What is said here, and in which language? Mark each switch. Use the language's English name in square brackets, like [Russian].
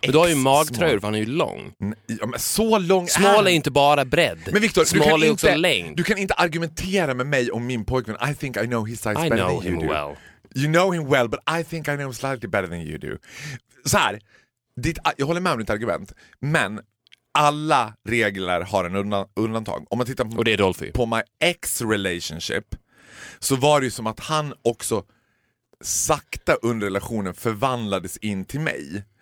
[Swedish] Men du har ju magtröjor för han är ju lång. Ja, men så lång. Smal är inte bara bredd. Men Victor, smal du kan är också inte, längd. Du kan inte argumentera med mig om min pojkvän. [English] I think I know his size I better than you do. I know him well. You know him well, but I think I know him slightly better than you do. [Swedish] Så här. Jag håller med om ditt argument. Men alla regler har en undantag. Om man tittar och det är Dolphy. På [English] my ex-relationship [Swedish] så var det ju som att han också... sakta under relationen förvandlades in till mig.